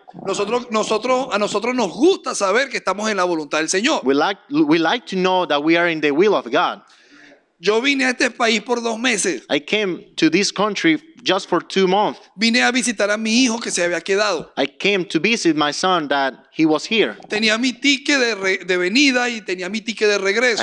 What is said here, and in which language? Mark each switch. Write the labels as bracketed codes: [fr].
[es] A nosotros nos gusta saber que estamos en la voluntad del Señor. [en] We like to know that we are in the will of God. [es] Yo vine a este país por 2 meses. [en] I came to this country just for 2 months. [es] Vine a visitar a mi hijo que se había quedado. [en] I came to visit my son that he was here. [es] Tenía mi ticket de venida y tenía mi ticket de regreso.